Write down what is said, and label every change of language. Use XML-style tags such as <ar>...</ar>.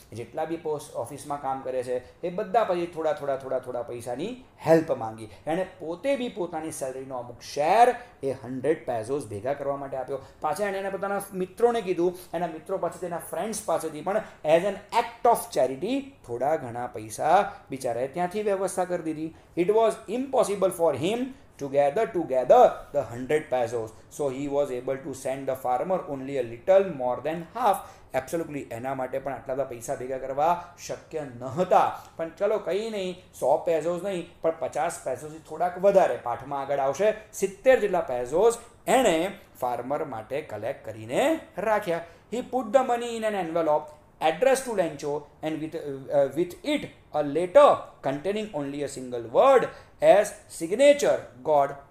<gu>જેટલા બી પોસ્ટ ઓફિસમાં કામ કરે છે એ બધા પછી થોડા થોડા થોડા થોડા પૈસાની હેલ્પ માંગી. એણે પોતે બી પોતાની સેલરીનો અમુક શેર એ 100 પૈસા ભેગા કરવા માટે આપ્યો. પાછા એણે એના પોતાના મિત્રોને કીધું, એના મિત્રો પાસેથી, એના ફ્રેન્ડ્સ પાસેથી પણ</gu> <en>as an act of charity</en> <gu>થોડા ઘણા પૈસા બિચારાએ ત્યાંથી વ્યવસ્થા કરી દીધી.</gu> <en>It was impossible for him together the 100 pesos, so he was able to send the farmer only a little more than half.</en> <gu>Absolutely, એના માટે પણ આટલા બધા પૈસા ભેગા કરવા શક્ય ન હતા. પણ ચલો કંઈ નહીં, 100 pesos નહીં પણ 50 pesos થોડાક વધારે, પાઠમાં આગળ આવશે, 70 જેટલા pesos એણે ફાર્મર માટે કલેક્ટ કરીને રાખ્યા.</gu> <en>He put the money in an envelope address to Lencho, and with it a letter containing only a single word as signature God.</en>